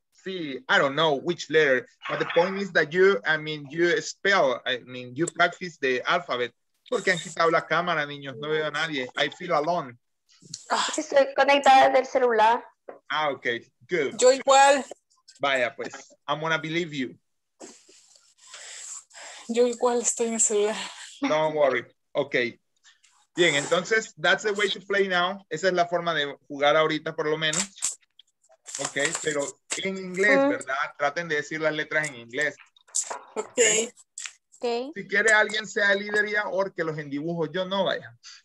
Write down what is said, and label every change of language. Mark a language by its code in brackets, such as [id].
[en] I don't know which letter, but the point is that you practice the alphabet. [es] Porque aquí está la cámara, niños, no veo a nadie. [en] I feel alone. [es] Estoy conectada del celular. [en] Ah, okay, good. [es] Yo igual. Vaya, pues, [en] I'm gonna believe you. [es] Yo igual estoy en el celular. [en] Don't worry, okay. [es] Bien, entonces, [en] that's the way to play now. [es] Esa es la forma de jugar ahorita, por lo menos. Ok, pero en inglés, ¿verdad? Traten de decir las letras en inglés. [en] Okay. Ok. [es] Si quiere alguien sea el líder y ahora que los en dibujo, yo no vaya.